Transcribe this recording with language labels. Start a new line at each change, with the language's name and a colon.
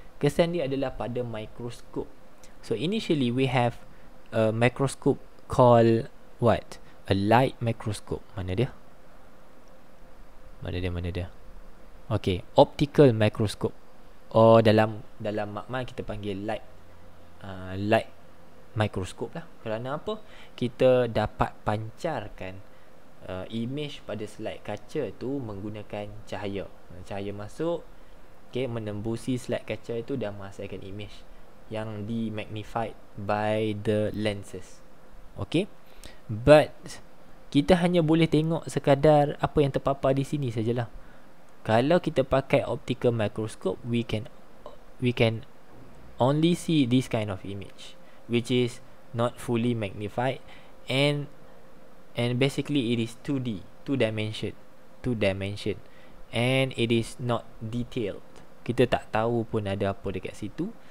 Malay: Kesan dia adalah pada mikroskop.
English: So initially we have a microscope called what? A light microscope.
Malay: Mana dia? Okay, optical microscope. Oh, dalam makmal kita panggil light microscope lah. Kerana apa? Kita dapat pancarkan image pada slide kaca tu menggunakan cahaya. Cahaya masuk, okay, menembusi slide kaca itu dan menghasilkan image yang di-magnified
English: by the lenses. Okay, but
Malay: kita hanya boleh tengok sekadar apa yang terpapar di sini sajalah. Kalau kita pakai
English: optical microscope, we can only see this kind of image, which is not fully magnified, and basically it is 2D, two dimension, and it is not detailed.
Malay: Kita tak tahu pun ada apa dekat situ.